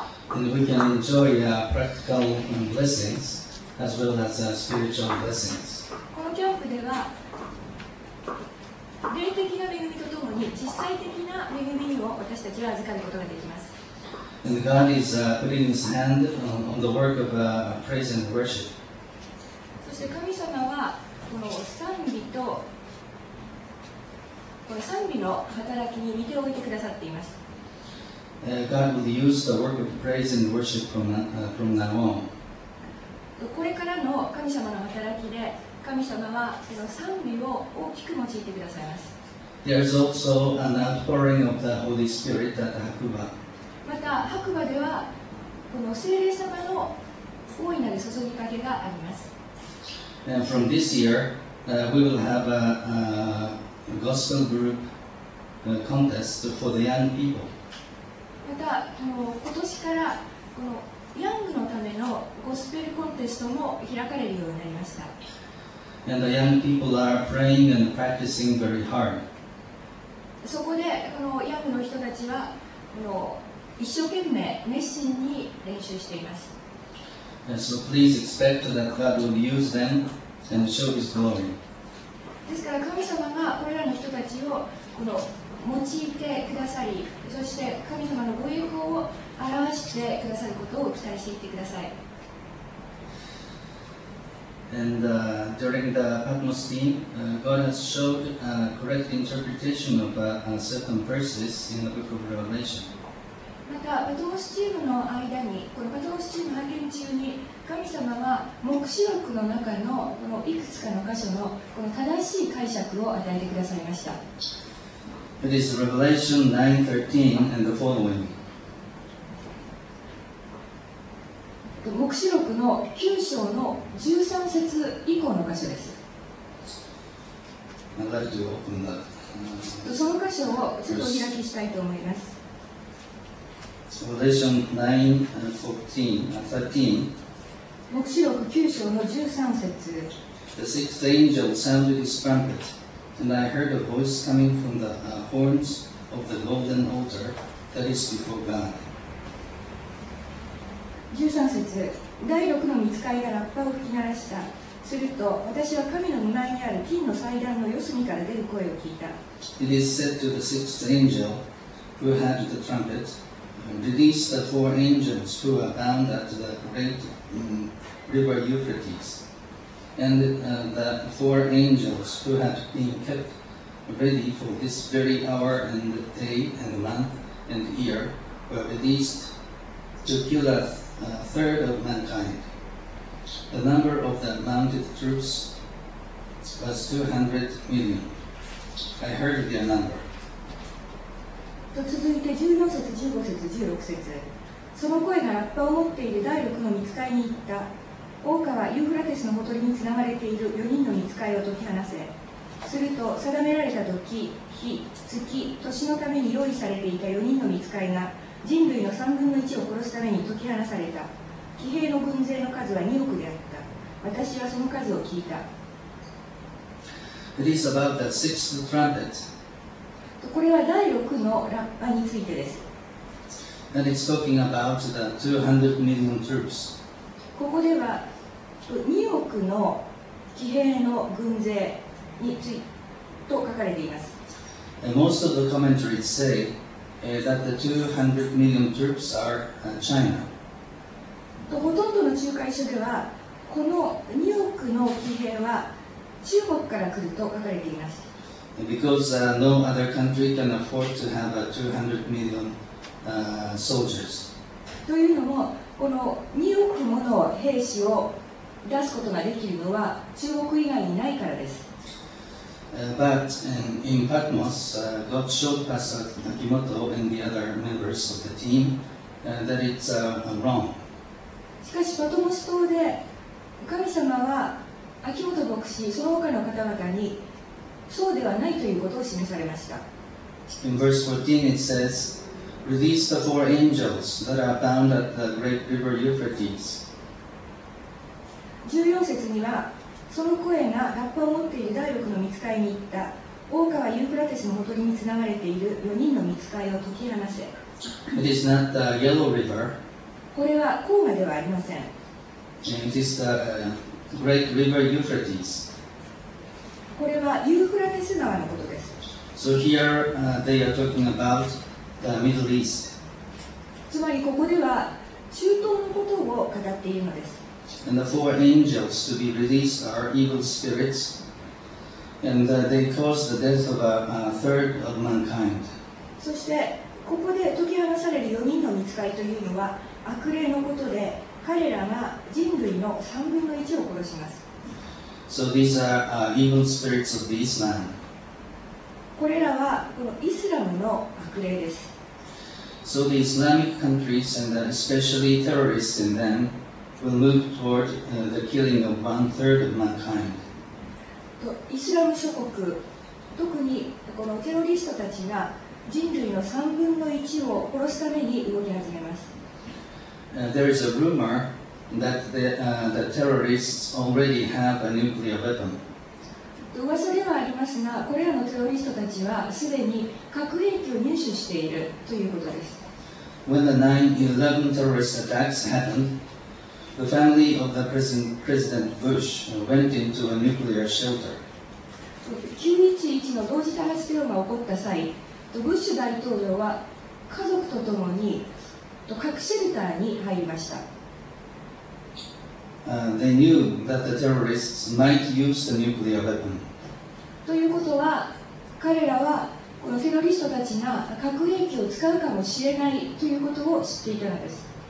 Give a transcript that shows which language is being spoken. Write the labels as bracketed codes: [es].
[en] And we can enjoy practical blessings as well as spiritual blessings. [ja] このキャンプでは霊的な恵みとともに実際的な恵みを私たちは預かることができます。 [en] And God is putting His hand on the work of praise and worship. [ja] そして神様はこの賛美とこの賛美の働きに見ておいてくださっています。 [en] God will use the work of praise and worship from now on. [ja] これからの神様の働きで神様はこの賛美を大きく用いてくださいます。 [en] There is also an outpouring of the Holy Spirit at Hakuba. [ja] また白馬ではこの聖霊様の大いなる注ぎかけがあります。 [en] And from this year, we will have a gospel group contest for the young people. [ja] またこの今年からこのヤングのためのゴスペルコンテストも開かれるようになりました。 [en] And the young people are praying and practicing very hard. [ja] そこでこのヤングの人たちはこの一生懸命熱心に練習しています。 [en] So please expect that God will use them and show His glory. [ja] ですから神様がこれらの人たちをこの用いてくださり、そして神様のご栄光を表してくださることを期待していてください。 [en] And during the Patmos theme, God has showed a correct interpretation of certain verses in the Book of Revelation. [ja] またパトモスチームの間にこのパトモスチーム派遣中に神様は黙示録の中 の, このいくつかの箇所 の, この正しい解釈を与えてくださいました。 [en] It is Revelation 9:13 and the following. [ja] 黙示録の9章の13節以降の箇所です。 [en] I'd like to open that. [ja] その箇所をちょっとお開きしたいと思います。 [en] Revelation 9:13. [ja] 黙示録九章の十三節。 [en] The sixth angel sounded his trumpet, and I heard a voice coming from the horns of the golden altar that is before God. [ja] 十三節。第六の御使いがラッパを吹き鳴らした。すると私は神の御前にある金の祭壇の四隅から出る声を聞いた。 [en] It is said to the sixth angel who had the trumpet. Release the four angels who are bound at the great river Euphrates. And the four angels who have been kept ready for this very hour and day and month and year were released to kill a third of mankind. The number of the mounted troops was 200 million. I heard their number. [ja] と続いて14節、15節、16節。その声がラッパを持っている第6の御使いに言った。王家はユーフラテスのほとりにつながれている4人の御使いを解き放せ。すると定められた時、日、月、年のために用意されていた4人の御使いが人類の3分の1を殺すために解き放された。騎兵の軍勢の数は2億であった。私はその数を聞いた。 [en] It is about the sixth trumpet. [ja] これは第六のラッパについてです。 [en] And it's talking about the 200 million troops. [ja] ここでは2億の騎兵の軍勢についてと書かれています。 [en] And most of the commentaries say that the 200 million troops are China. [ja] とほとんどの仲介書ではこの2億の騎兵は中国から来ると書かれています。 [en] Because no other country can afford to have 200 million soldiers. [ja] というのも、この2億もの兵士を出すことができるのは中国以外にないからです。 [en] But in Patmos, God showed Pastor Akimoto and the other members of the team that it's wrong. [ja] しかし、パトモス島で神様は秋元牧師、その他の方々にそうではないということを示されました。 [en] In verse 14 it says, release the four angels that are bound at the great river Euphrates. [ja] 14節にはその声がラッパを持っている第六の御使いに言った。大川ユーフラテスのほとりにつながれている4人の御使いを解き放せ。 [en] It is not the Yellow River. [ja] これは黄河ではありません。 [en] It is the Great River Euphrates. [ja] これはユーフラテス川のことです。 [en] So here, they are talking about the Middle East. [ja] つまりここでは中東のことを語っているのです。 [en] And the four angels to be released are evil spirits, and they caused the death of a third of mankind. [ja] そしてここで解き放される4人の御使いというのは悪霊のことで、彼らが人類の3分の1を殺します。 [en] So these are evil spirits of the Islam. [ja] これらはこのイスラムの悪霊です。 [en] So the Islamic countries and especially terrorists in them. Will move toward the killing of one third of mankind. [ja] とイスラム諸国、特にこのテロリストたちが人類の三分の一を殺すために動き始めます。 [en] There is a rumor that the terrorists already have a nuclear weapon. [ja] と噂ではありますが、これらのテロリストたちはすでに核兵器を入手しているということです。 [en] When the 9/11 terrorist attacks happened. The family of the President Bush went into a nuclear shelter. [ja] 9/11 の同時多発テロが起こった際、ブッシュ大統領は家族とともに核シェルターに入りました。 [en] They knew that the terrorists might use the nuclear weapon. [ja] ということは、彼らはこのテロリストたちが核兵器を使うかもしれないということを知っていたのです。